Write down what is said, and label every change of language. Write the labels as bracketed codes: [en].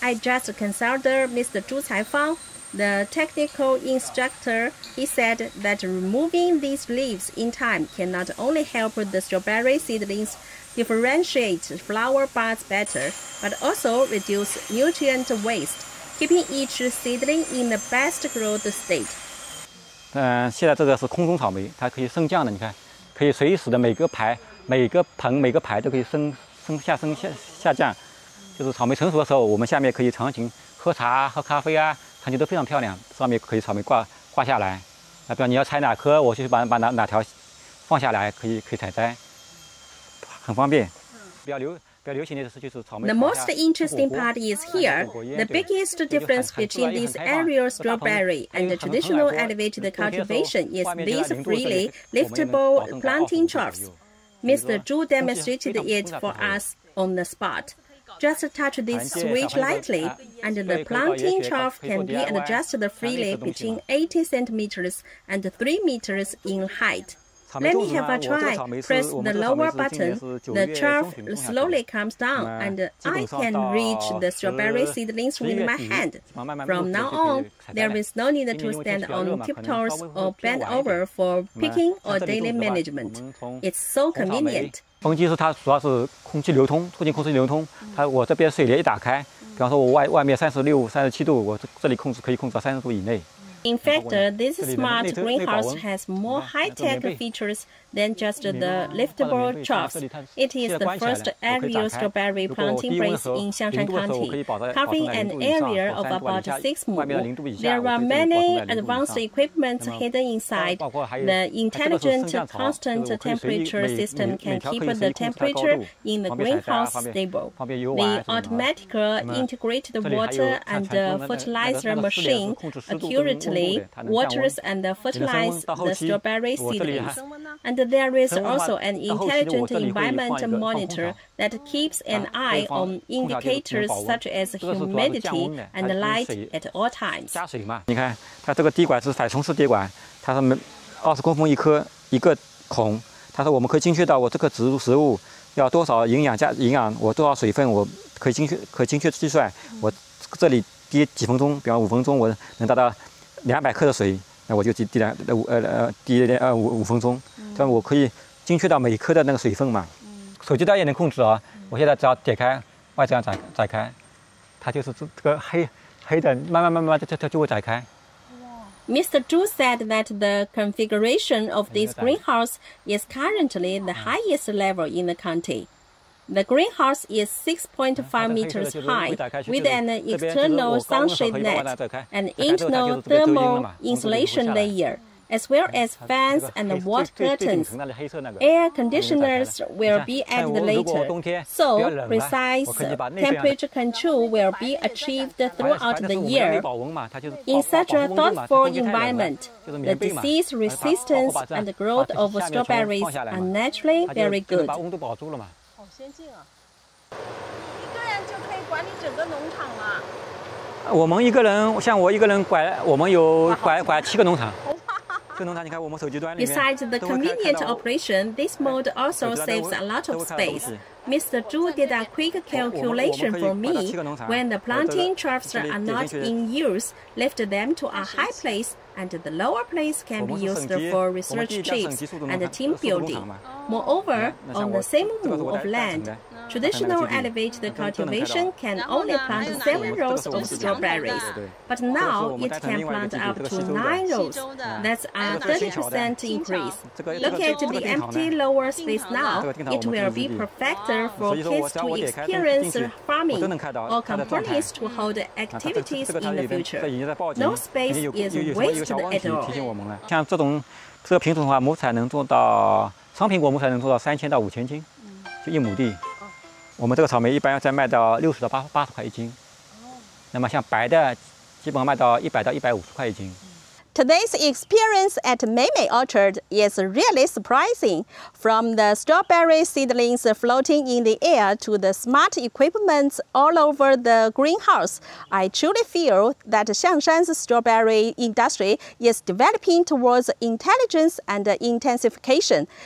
[en] I just consulted Mr. Zhu Caifang, the technical instructor. He said that removing these leaves in time can not only help the strawberry seedlings differentiate flower buds better, but also reduce nutrient waste, keeping each seedling in the best growth state. [zh] 现在这个是空中草莓，它可以升降的，你看，可以随时的每个排、每个盆、每个排都可以升下降，就是草莓成熟的时候，我们下面可以长情喝茶、喝咖啡啊，场景都非常漂亮。上面可以草莓挂下来，啊，比如你要采哪颗，我就把哪条放下来，可以采摘，很方便。 [en] The most interesting part is here. The biggest difference between this aerial strawberry and the traditional elevated cultivation is these freely liftable planting troughs. Mr. Zhu demonstrated it for us on the spot. Just touch this switch lightly, and the planting trough can be adjusted freely between 80 centimeters and 3 meters in height. Let me have a try. Press the lower button. The trough slowly comes down, and I can reach the strawberry seedlings with my hand. From now on, there is no need to stand on tiptoes or bend over for picking or daily management. It's so convenient. [zh] 风机是它主要是空气流通，促进空气流通。它我这边水帘一打开，比方说我外面36、37度，我这里可以控制到30度以内。 [en] In fact, this smart greenhouse has more high-tech features than just the liftable troughs. It is the first aerial strawberry planting place in Xiangshan County, covering an area of about 6 mu. There are many advanced equipment hidden inside. The intelligent constant temperature system can keep the temperature in the greenhouse stable. The automatic integrated water and fertilizer machine accurately waters and fertilizes the strawberry seedlings. And there is also an intelligent environment monitor that keeps an eye on indicators such as humidity and light at all times. [zh] 加水嘛，你看它这个滴管是反冲式滴管，它是每20公分一颗一个孔。它说我们可以精确到我这个植物要多少营养加营养，我多少水分，我可以精确计算。我这里滴几分钟，比方5分钟，我能达到200克的水。那我就滴五分钟，这样我可以精确到每颗的那个水分嘛。手机带也能控制啊，我现在只要点开外这样展开，它就是这个黑的，慢慢就会展开。 [en] Mr. Zhu said that the configuration of this greenhouse is currently the highest level in the county. The greenhouse is 6.5 meters high with an external sunshade net, an internal thermal insulation layer, as well as fans and water curtains. Air conditioners will be added later, so precise temperature control will be achieved throughout the year. In such a thoughtful environment, the disease resistance and growth of strawberries are naturally very good. [zh] 好先进啊！一个人就可以管理整个农场了。我们一个人，像我一个人管，我们有管七个农场。 [en] Besides the convenient operation, this mode also saves a lot of space. Mr. Zhu did a quick calculation for me. When the planting troughs are not in use, lift them to a high place, and the lower place can be used for research trips and team building. Moreover, on the same move of land, traditional elevated cultivation can only plant 7 rows of strawberries, but now it can plant up to 9 rows. That's a 30% increase. Look at the empty lower space now. It will be perfect for kids to experience farming or companies to hold activities in the future. No space is wasted at all. [zh] 像这种这个品种的话，亩产能做到商品果亩产能做到3000到5000斤，就一亩地。我们这个草莓一般要再卖到60到80块一斤，那么像白的，基本卖到100到150块一斤。 [en] Today's experience at Mei Mei Orchard is really surprising. From the strawberry seedlings floating in the air to the smart equipment all over the greenhouse, I truly feel that Xiangshan's strawberry industry is developing towards intelligence and intensification.